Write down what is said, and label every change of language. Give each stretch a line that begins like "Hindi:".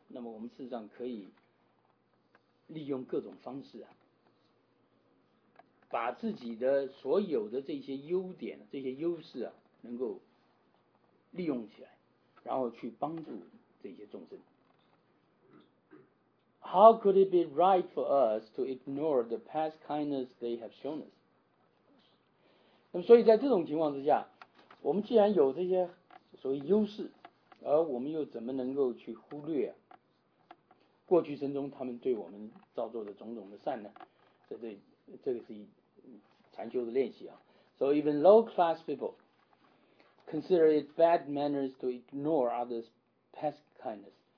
Chinese: 那么我们事实上可以利用各种方式啊，把自己的所有的这些优点这些优势啊能够利用起来，然后去帮助这些众生。
English: How could it be right for us to ignore the past kindness they have shown us？
Chinese: 那么所以在这种情况之下，我们既然有这些所谓优势，而我们又怎么能够去忽略啊过去生中他们对我们造作的种种的善呢？这个是禅修的练习啊。
English: So even low class people consider it bad manners to ignore others' past kindness.